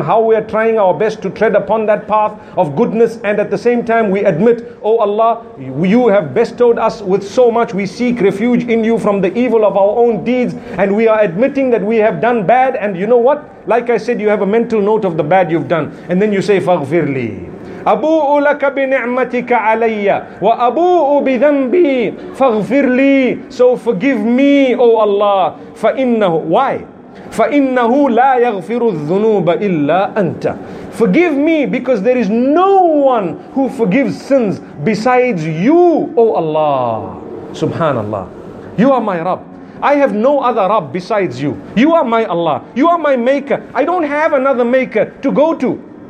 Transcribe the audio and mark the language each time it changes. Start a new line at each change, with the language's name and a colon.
English: How we are trying our best to tread upon that path of goodness. And at the same time, we admit, oh Allah, you have bestowed us with so much. We seek refuge in you from the evil of our own deeds. And we are admitting that we have done bad. And you know what? Like I said, you have a mental note of the bad you've done. And then you say, Faghfirli.
Arabic: أبوء لك بنعمتك علي وأبوء بذنبي فاغفر لي.
English: So forgive me, O Allah. فإنه, why?
Arabic: فإنه لا يغفر الذنوب إلا أنت.
English: Forgive me because there is no one who forgives sins besides you, O Allah. Subhanallah. You are my Rabb. I have no other Rabb besides you. You are my Allah. You are my Maker. I don't have another Maker to go to.